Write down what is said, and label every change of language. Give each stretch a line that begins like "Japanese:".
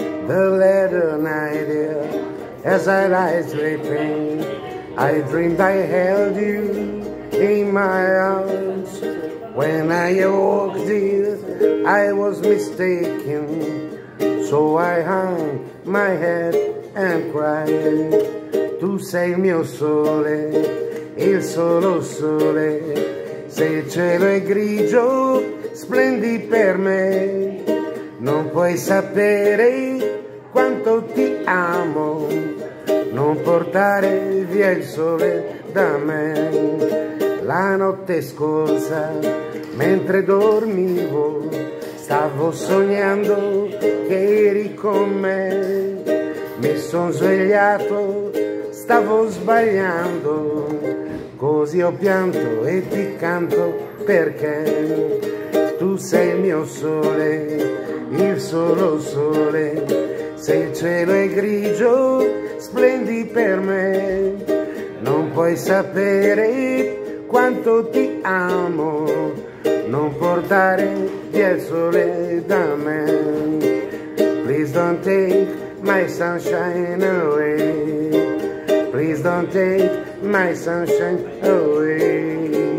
English: The little night, dear, as I lie sleeping, I dreamed I held you in my arms. When I awoke, dear, I was mistaken, so I hung my head and cried.
Italian: Tu sei mio sole, il solo sole, se il cielo è grigio, splendi per me. Non puoi sapere quanto ti amo, non portare via il sole da me. La notte scorsa, mentre dormivo, stavo sognando che eri con me. Mi son svegliato, stavo sbagliando, così ho pianto e ti canto perché. Tu sei il mio sole, il solo sole, se il cielo è grigio, splendi per me. Non puoi sapere quanto ti amo, non portare via il sole da me.
English: Please don't take my sunshine away. Please don't take my sunshine away.